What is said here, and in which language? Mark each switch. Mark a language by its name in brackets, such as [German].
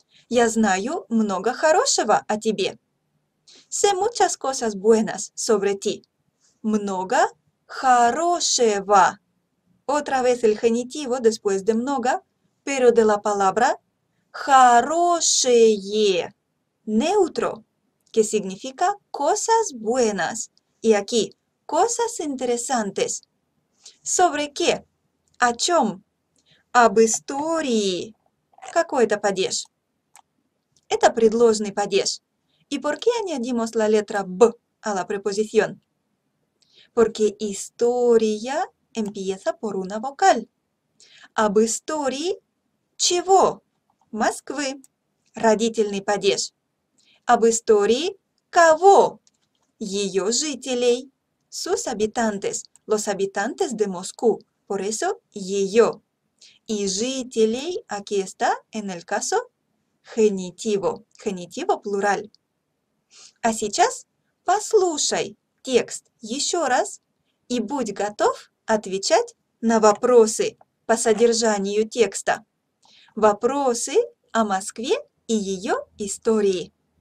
[Russian] Я знаю много хорошего о тебе. [Spanish] Sé muchas cosas buenas sobre ti. [Russian] Много хорошего. [Spanish] Otra vez el genitivo después de много, pero de la palabra хорошее. Neutro, que significa cosas buenas. Y aquí cosas interesantes. Sobre qué? [Russian] О чем? Об истории. Какой это падеж? Это предложный падеж. [Spanish] И por qué añadimos la letra b a la preposición? Porque история empieza por una vocal. [Russian] Об истории чего? Москвы. Родительный падеж. Об истории кого? Ее жителей. [Spanish] Sus habitantes. Los habitantes de Moscú. Por eso, ее. И жителей, aquí está, en el caso, genitivo. Genitivo plural. [Russian] А сейчас послушай текст еще раз и будь готов отвечать на вопросы по содержанию текста. Вопросы о Москве и ее истории.